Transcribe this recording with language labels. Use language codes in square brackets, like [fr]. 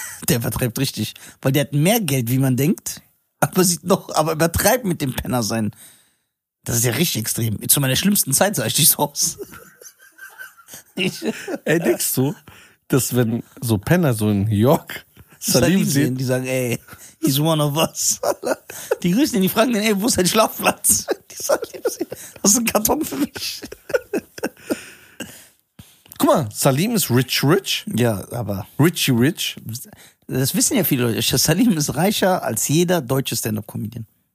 [de] Der übertreibt richtig. Weil der hat mehr Geld, wie man denkt. Aber übertreibt mit dem Penner sein. Das ist ja richtig extrem. Zu meiner schlimmsten Zeit sah ich dich so aus. Ey, denkst du, dass wenn so Penner so in New York Salim sehen, die sagen, ey, [en] he's one of us. [de] Die grüßen ihn, die fragen den, ey, wo ist dein Schlafplatz? Die Salim sehen, das ist ein Karton für mich. Guck mal, Salim ist [en] rich, rich. [de] Ja, aber... [en] Richie, rich. [de] Das wissen ja viele Leute. Salim ist reicher als jeder deutsche Stand-Up-Comedian.